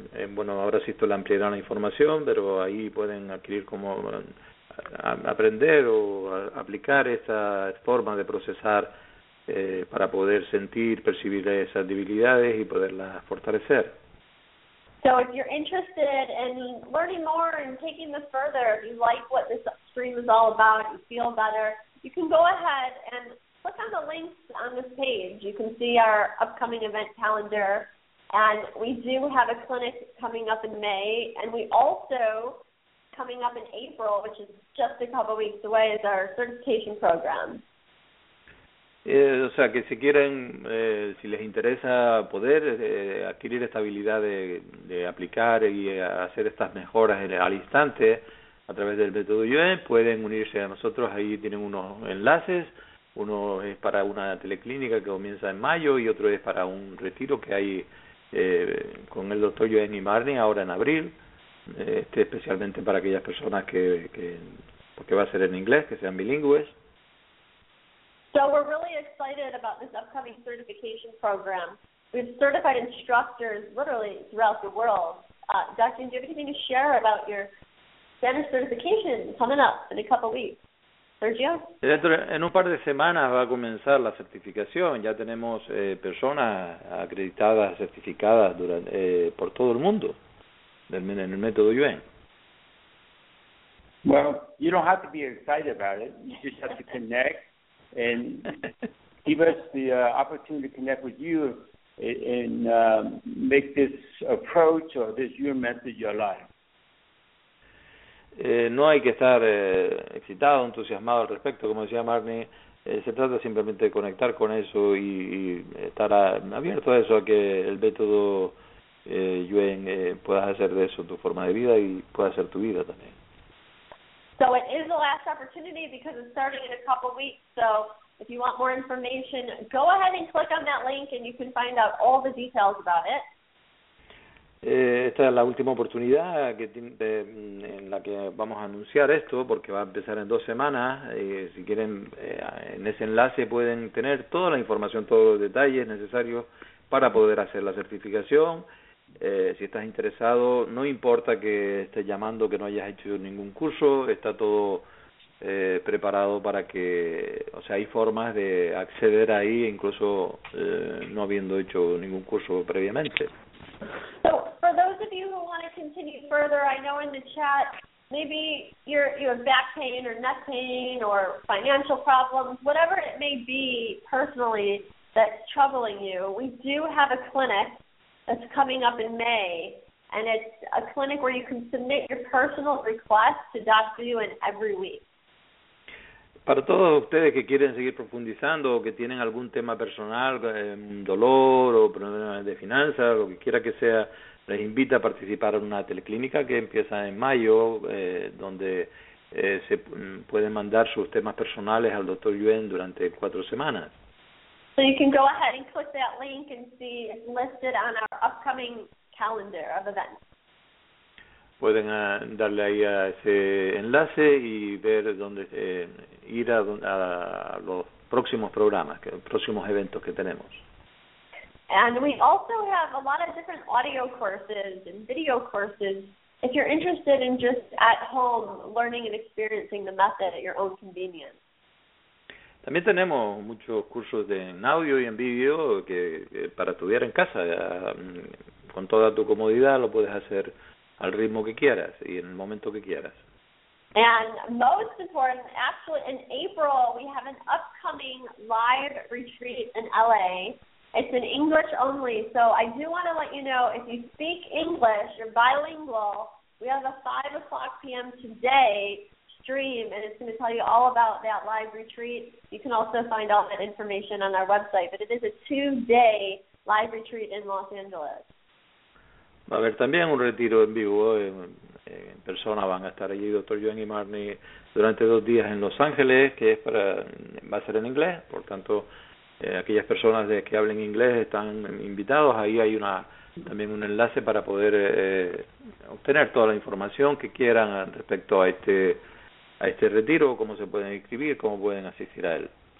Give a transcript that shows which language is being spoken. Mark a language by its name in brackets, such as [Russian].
[Spanish] Bueno, ahora sí esto le ampliará la información, pero ahí pueden adquirir cómo aprender o aplicar esta forma de procesar para poder sentir, percibir esas debilidades y poderlas fortalecer. [English] So if you're interested in learning more and taking this further, if you like what this stream is all about, you feel better, you can go ahead and click on the links on this page. You can see our upcoming event calendar. And we do have a clinic coming up in May, and we also, coming up in April, which is just a couple weeks away, is our certification program. [Spanish] O sea, que si quieren, si les interesa poder adquirir esta habilidad de aplicar y hacer estas mejoras al instante a través del método UN, pueden unirse a nosotros. Ahí tienen unos enlaces. Uno es para una teleclínica que comienza en mayo y otro es para un retiro que hay con el doctor Joenny Marni ahora en abril, especialmente para aquellas personas que porque va a ser en inglés, que sean bilingües. [English] So we're really excited about this upcoming certification program. We've certified instructors literally throughout the world. Doctor, do you have anything to share about your Spanish certification coming up in a couple of weeks? Sergio? [Spanish] En un par de semanas va a comenzar la certificación. Ya tenemos personas acreditadas, certificadas por todo el mundo en el método UN. [English] Well, you don't have to be excited about it. You just have to connect and give us the opportunity to connect with you and make this approach or this UN method your life. [Spanish] No hay que estar excitado, entusiasmado al respecto, como decía Marnie. Se trata simplemente de conectar con eso y estar abierto a eso, a que el método UN puedas hacer de eso tu forma de vida y pueda ser tu vida también. [English] So it is the last opportunity because it's starting in a couple weeks. So if you want more information, go ahead and click on that link and you can find out all the details about it. [Spanish] Esta es la última oportunidad en la que vamos a anunciar esto, porque va a empezar en 2 semanas. Si quieren, en ese enlace pueden tener toda la información, todos los detalles necesarios para poder hacer la certificación. Si estás interesado, no importa que estés llamando, que no hayas hecho ningún curso, está todo preparado para que, o sea, hay formas de acceder ahí incluso no habiendo hecho ningún curso previamente. [English] So, for those of you who want to continue further, I know in the chat, maybe you have back pain or neck pain or financial problems, whatever it may be personally that's troubling you, we do have a clinic that's coming up in May, And it's a clinic where you can submit your personal request to Dr. Yuen every week. [Spanish] Para todos ustedes que quieren seguir profundizando o que tienen algún tema personal, dolor o problemas de finanzas, lo que quiera que sea, les invito a participar en una teleclínica que empieza en mayo, donde se pueden mandar sus temas personales al Dr. Yuen durante 4 semanas. [English] So you can go ahead and click that link and see it's listed on our upcoming calendar of events. [Spanish] Pueden darle ahí a ese enlace y ver dónde ir a los próximos programas, que, los próximos eventos que tenemos. [English] And we also have a lot of different audio courses and video courses if you're interested in just at home learning and experiencing the method at your own convenience. [Spanish] También tenemos muchos cursos en audio y en video que para estudiar en casa, con toda tu comodidad lo puedes hacer al ritmo que quieras y en el momento que quieras. [English] And most important, actually in April we have an upcoming live retreat in LA. It's in English only, so I do want to let you know if you speak English, you're bilingual, we have a 5 o'clock p.m. today stream, and it's going to tell you all about that live retreat. You can also find all that information on our website, but it is a 2-day live retreat in Los Angeles. [Spanish] Va a haber también un retiro en vivo, en persona van a estar allí Dr. Yuen y Marnie durante 2 días en Los Ángeles, que es para, va a ser en inglés, por tanto, aquellas personas de que hablen inglés están invitados, ahí hay una también un enlace para poder obtener toda la información que quieran respecto a este retiro, cómo se pueden inscribir, cómo pueden asistir a él.